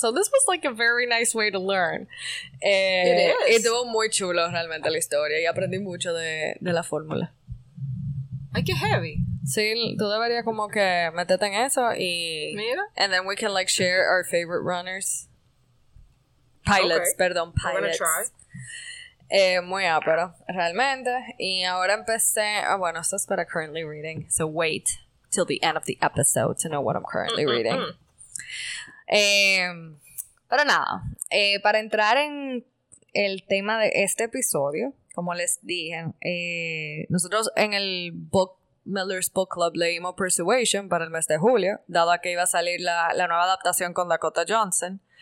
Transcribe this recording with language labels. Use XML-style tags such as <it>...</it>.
<en>So this was like a very nice way to learn. It is.</en> <es>Y estuvo muy chulo realmente la historia y aprendí mucho de la fórmula. Ay, qué heavy. Sí, tú deberías como que meterte en eso y mira.</es> <en>And then we can like share our favorite runners. Pilots, okay.</en> <es>Perdón, pilots.</es> <en>I'm gonna try.</en> <es>Muy ápero, realmente. Y ahora empecé. Bueno, esto es para</es> <en>currently reading. So wait till the end of the episode to know what I'm currently reading.</en> <es>Pero nada. Para entrar en el tema de este episodio, como les dije, nosotros en el Book Miller's Book Club leímos Persuasion para el mes de julio, dado a que iba a salir la nueva adaptación con Dakota Johnson.</es>